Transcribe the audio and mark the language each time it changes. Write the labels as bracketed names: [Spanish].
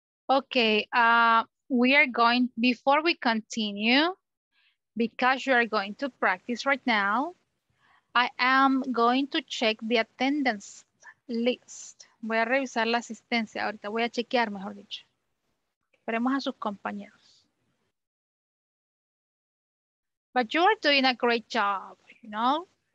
[English] Okay, we are going, before we continue, because you are going to practice right now, I am going to check the attendance list. [Spanish] Voy a revisar la asistencia ahorita, voy a chequear mejor dicho. Esperemos a sus compañeros. [English] But you are doing a great job, you know?